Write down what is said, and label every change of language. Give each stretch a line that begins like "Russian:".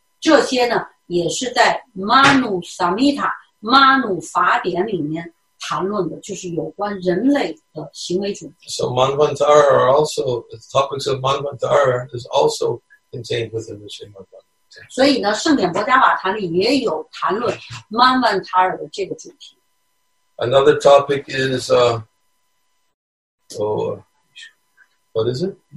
Chinese: 这些呢也是在 Manu Samhita, Manu 法典里面谈论的就是有关人类的行为准则。
English: So Manvantara are also, the topics of Manvantara is also contained within the Srimad Bhagavatam.
Chinese: 所以呢圣典博迦瓦坛里也有谈论 Manvantara 的这个主题。
English: Another topic is,what is it?